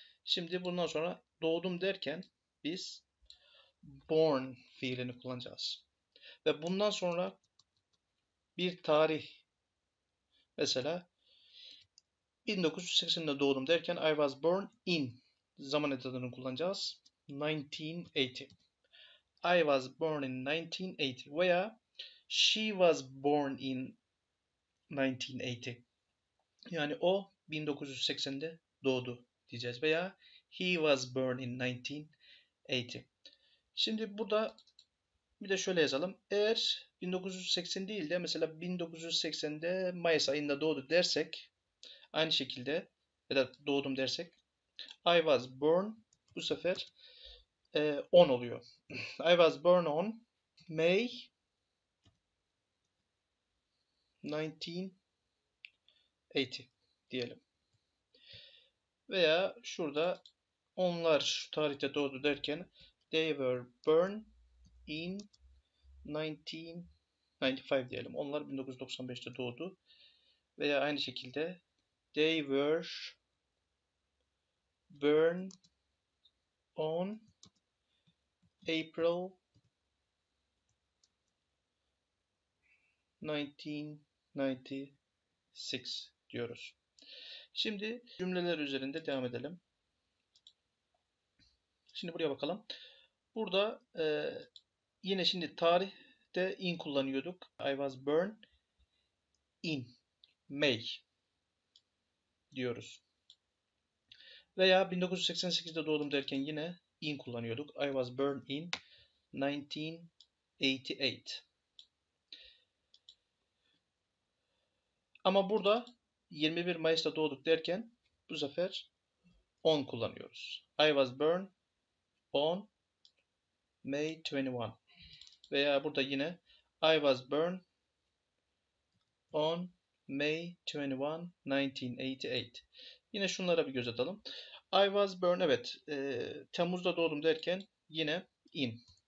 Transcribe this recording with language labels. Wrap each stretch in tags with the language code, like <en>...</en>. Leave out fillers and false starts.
<tr>Şimdi bundan sonra doğdum derken biz born fiilini kullanacağız. Ve bundan sonra bir tarih. Mesela 1980'de doğdum derken</tr> <en>I was born in</en> <tr>zaman edatını kullanacağız.</tr> <en>1980. I was born in 1980 veya she was born in 1980.</en> <tr>Yani o 1980'de doğdu diyeceğiz veya</tr> <en>he was born in 1980.</en> <tr>Şimdi burada bir de şöyle yazalım. Eğer 1980 değil de mesela 1980'de Mayıs ayında doğdu dersek aynı şekilde ya da doğdum dersek</tr> <en>I was born</en> <tr>bu sefer 10 oluyor.</tr> <en>I was born on May 1980 diyelim.</en> <tr>Veya şurada onlar şu tarihte doğdu derken</tr> <en>they were born in 1995</en> <tr>diyelim. Onlar 1995'te doğdu. Veya aynı şekilde</tr> <en>they were born on April 1996</en> <tr>diyoruz. Şimdi cümleler üzerinde devam edelim. Şimdi buraya bakalım. Burada yine şimdi tarih de in kullanıyorduk.</tr> <en>I was born in May diyoruz.</en> <tr>Veya 1988'de doğdum derken yine in kullanıyorduk.</tr> <en>I was born in 1988.</en> <tr>Ama burada 21 Mayıs'ta doğduk derken bu sefer on kullanıyoruz.</tr> <en>I was born on May 21.</en> <tr>Veya burada yine</tr> <en>I was born on May 21, 1988.</en> <tr>Yine şunlara bir göz atalım.</tr> <en>I was born,</en> <tr>evet. Temmuz'da doğdum derken yine in.</tr>